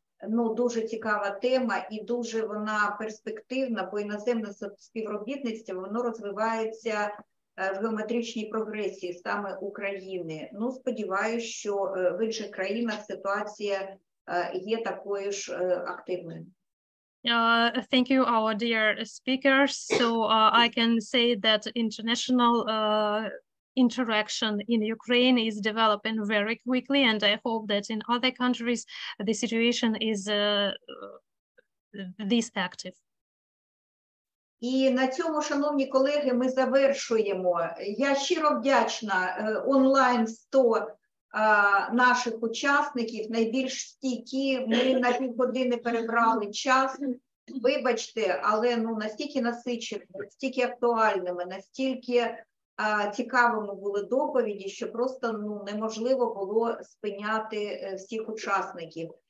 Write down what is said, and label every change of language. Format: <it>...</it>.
<uk>Ну, дуже цікава тема і дуже вона перспективна, бо іноземне співробітництво, воно розвивається в геометричній прогресії саме України. Ну, сподіваюся, що в інших країнах ситуація є такою ж активною.</uk> <en>Thank you, our dear speakers. So, I can say that international interaction in Ukraine is developing very quickly, and I hope that in other countries the situation is this active.</en> <uk>І на цьому, шановні колеги, ми завершуємо. Я щиро вдячна онлайн 100 наших учасників, найбільш стійкі. Ми на півгодини перебрали час. Вибачте, але ну настільки насичені, настільки актуальними, настільки цікавими були доповіді, що просто ну неможливо було спиняти всіх учасників.</uk>